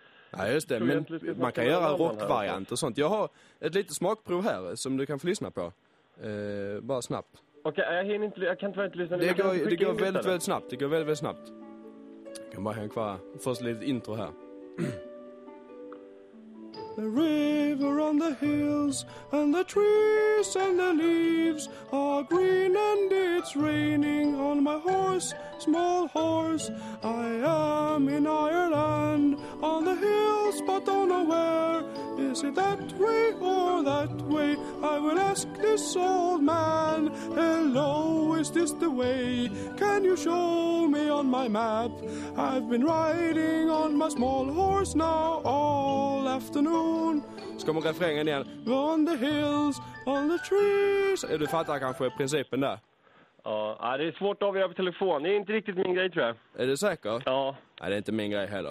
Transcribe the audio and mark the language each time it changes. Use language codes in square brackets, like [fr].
[sv] ja, just det, men man kan göra rockvariant och sånt. Jag har ett litet smakprov här som du kan få lyssna på. Bara snabbt. Okej, jag kan tyvärr inte lyssna. Det går väldigt, väldigt snabbt. Jag kan bara hänga kvar. Först lite intro här. [en] The river and the hills and the trees and the leaves are green and it's raining on my horse, small horse. I am in Ireland on the hills but don't know where. Is it that way or that way? I will ask this old man. Hello, is this the way? Can you show me on my map? I've been riding on my small horse now all afternoon. [sv] Ska man refrängen igen? [en] On the hills, on the trees. [sv] Du fattar kanske principen där? Ja, det är svårt att avgöra på telefon. Det är inte riktigt min grej, tror jag. Är du säker? Ja. Nej, det är inte min grej heller.